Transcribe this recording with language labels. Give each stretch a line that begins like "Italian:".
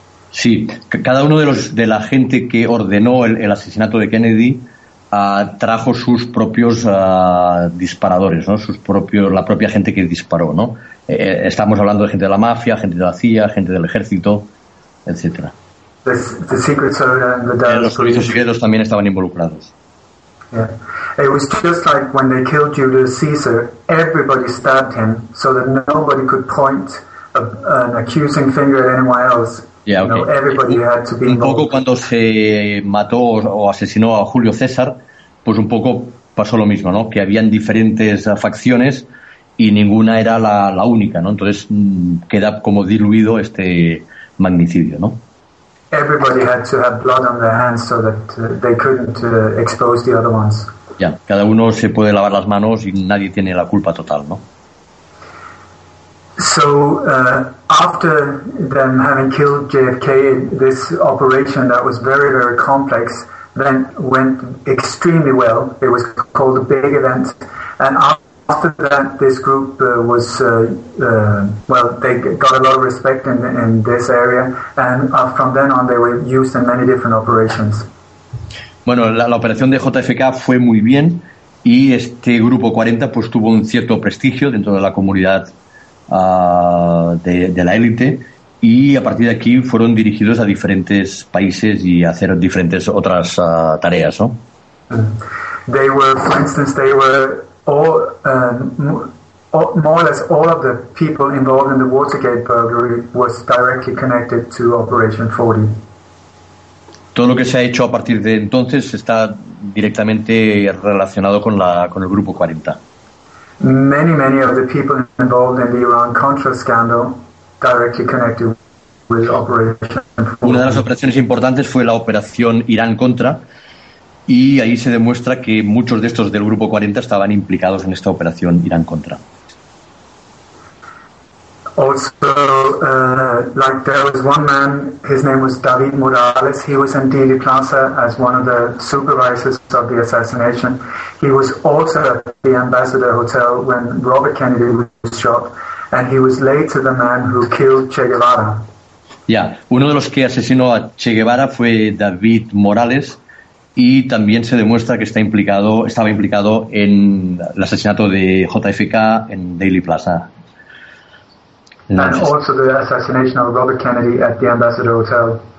Spanish: Sí, cada uno de la gente que ordenó el asesinato de Kennedy trajo sus propios disparadores, ¿no? La propia gente que disparó, ¿no? Estamos hablando de gente de la mafia, gente de la CIA, gente del ejército, etcétera.
English: The Secret Service and the Dallas.
Spanish: Los servicios secretos también estaban involucrados.
English: Yeah. It was just like when they killed Julius Caesar, everybody stabbed him so that nobody could point an accusing finger at anyone else. Yeah, okay. You know, everybody had to be
Spanish: un poco cuando se mató o asesinó a Julio César, pues un poco pasó lo mismo, ¿no? Que habían diferentes facciones y ninguna era la única, ¿no? Entonces queda como diluido este magnicidio, ¿no?
English: Everybody had to have blood on their hands so that they couldn't expose the other ones.
Spanish: Ya, cada uno se puede lavar las manos y nadie tiene la culpa total, ¿no?
English: So, after them having killed JFK, this operation that was very, very complex then went extremely well. It was called a big event. And after that, this group was, they got a lot of respect in this area. And from then on, they were used in many different operations.
Spanish: Bueno, la operación de JFK fue muy bien y este grupo 40 pues tuvo un cierto prestigio dentro de la comunidad de la élite y a partir de aquí fueron dirigidos a diferentes países y a hacer diferentes otras tareas, ¿no?
English: They were, for instance, they were all, more or less all of the people involved in the Watergate burglary was directly connected to Operation 40.
Spanish: Todo lo que se ha hecho a partir de entonces está directamente relacionado con la con el grupo 40.
English: Many, many of the people involved in the Iran-Contra scandal directly connected with Operation 40.
Spanish: Una de las operaciones importantes fue la operación Irán-Contra y ahí se demuestra que muchos de estos del grupo 40 estaban implicados en esta operación Irán-Contra.
English: Also, like there was one man, his name was David Morales. He was in Dealey Plaza as one of the supervisors of the assassination. He was also at the Ambassador Hotel when Robert Kennedy was shot, and he was later the man who killed Che Guevara.
Spanish: Yeah, uno de los que asesinó a Che Guevara fue David Morales, y también se demuestra que estaba implicado en el asesinato de JFK en Dealey Plaza.
English: And also the assassination of Robert Kennedy at the Ambassador Hotel.